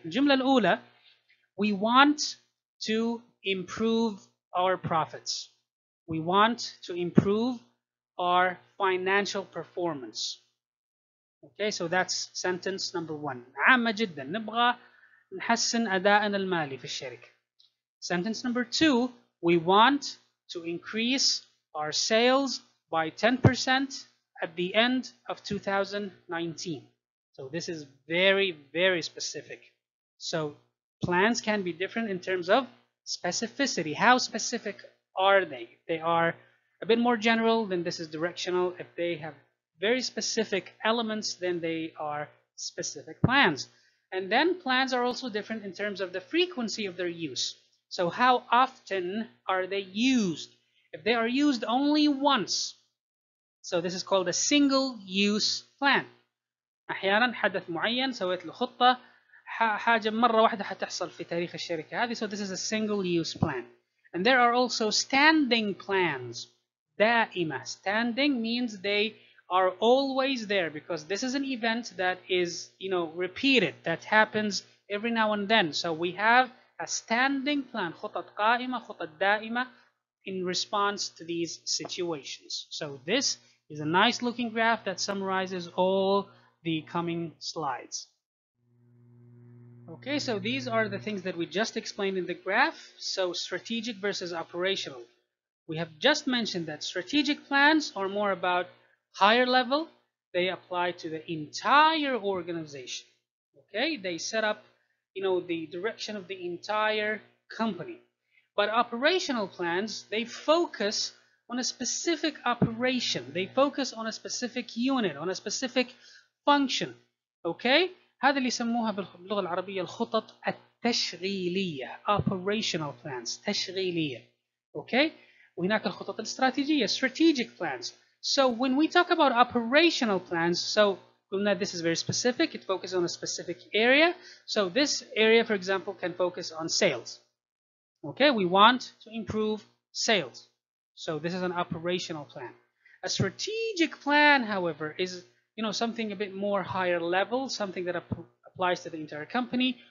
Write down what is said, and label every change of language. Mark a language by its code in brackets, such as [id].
[ar] الجملة الأولى, [en] we want to improve our profits. We want to improve our financial performance. Okay, so that's sentence number one. [ar] عامة جدا. نبغى نحسن أداءنا المالي في الشركة. [en] Sentence number two, we want to increase our sales by 10% at the end of 2019. So this is very, very specific. So plans can be different in terms of specificity. How specific are they? If they are a bit more general, then this is directional. If they have very specific elements, then they are specific plans. And then plans are also different in terms of the frequency of their use. So how often are they used? If they are used only once, so this is called a single-use plan. [ar] أحيانا حدث معين سويت له خطة حاجة مرة واحدة حتحصل في تاريخ الشركة هذه. [en] So this is a single-use plan. And there are also standing plans. [ar] دائمة. [en] Standing means they are always there because this is an event that is, you know, repeated, that happens every now and then. So we have a standing plan, [ar] خطط قائمة, خطط دائمة, [en] in response to these situations. So this is a nice looking graph that summarizes all the coming slides. Okay, so these are the things that we just explained in the graph. So strategic versus operational. We have just mentioned that strategic plans are more about higher level, they apply to the entire organization, okay? They set up, you know, the direction of the entire company. But operational plans, they focus on a specific operation. They focus on a specific unit, on a specific function, okay? [ar] هذا اللي يسموها باللغة العربية الخطط التشغيلية, operational plans, تشغيلية, okay? وهناك الخطط الاستراتيجية, strategic plans. [en] So when we talk about operational plans, so this is very specific, it focuses on a specific area. So this area, for example, can focus on sales. Okay, we want to improve sales. So this is an operational plan. A strategic plan, however, is, you know, something a bit more higher level, something that applies to the entire company.